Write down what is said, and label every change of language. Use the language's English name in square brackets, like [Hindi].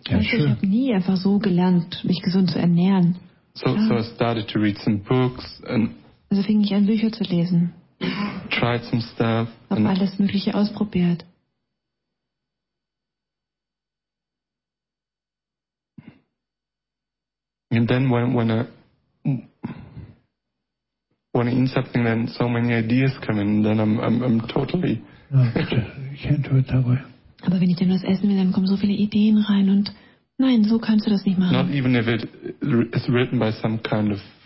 [English] Yeah, sure. [German] Ich habe nie einfach so gelernt, mich gesund zu ernähren. [English] So I started to read some books and. [German] Also fing ich an, Bücher zu lesen. [English] Tried some stuff. [German] Hab alles Mögliche ausprobiert. [English] And then when I eat something, then so many ideas come in. Then I'm totally. No, you can't do it that way. [German] Aber wenn ich dann was essen will, dann kommen so viele Ideen rein und nein, so kannst du das nicht machen. [English] Not even if it is written by some kind of.